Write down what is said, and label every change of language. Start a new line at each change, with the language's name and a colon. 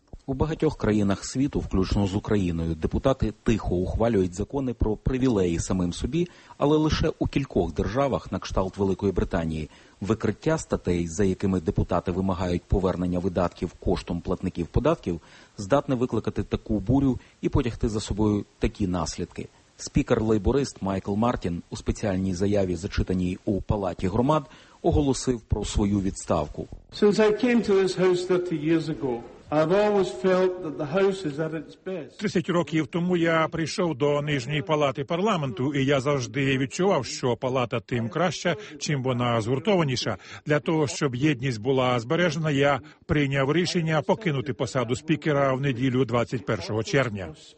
Ukrainian: У багатьох країнах світу, включно з Україною, депутати тихо ухвалюють закони про привілеї самим собі, але лише у кількох державах на кшталт Великої Британії викриття статей, за якими депутати вимагають повернення видатків коштом платників податків, здатне викликати таку бурю і потягти за собою такі наслідки. Спікер-лейборист Майкл Мартін у спеціальній заяві, зачитаній у Палаті громад, оголосив про свою відставку.
English: Since I came to this house 30 years ago, I've always felt that the house is at its best.
Ukrainian: 30 років тому я прийшов до Нижньої палати парламенту, і я завжди відчував, що палата тим краща, чим вона згуртованіша. Для того, щоб єдність була збережена, я прийняв рішення покинути посаду спікера в неділю 21 червня.